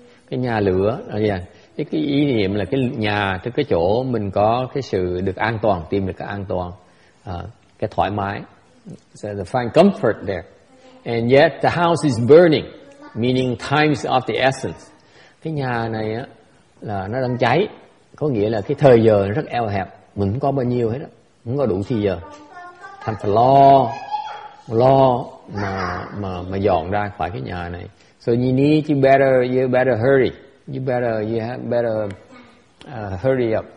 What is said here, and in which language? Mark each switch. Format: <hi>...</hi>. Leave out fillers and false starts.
<vi>Cái nhà lửa, cái ý niệm là cái nhà, cái chỗ mình có cái sự được an toàn, tìm được cái an toàn, cái thoải mái.</vi> <en>So they find comfort there. And yet the house is burning, meaning times of the essence.</en> <vi>Cái nhà này á, là nó đang cháy, có nghĩa là cái thời giờ nó rất eo hẹp, mình không có bao nhiêu hết á, không có đủ thì giờ. Thành phải lo mà dọn ra khỏi cái nhà này.</vi> <en>So you need to you better hurry up.</en>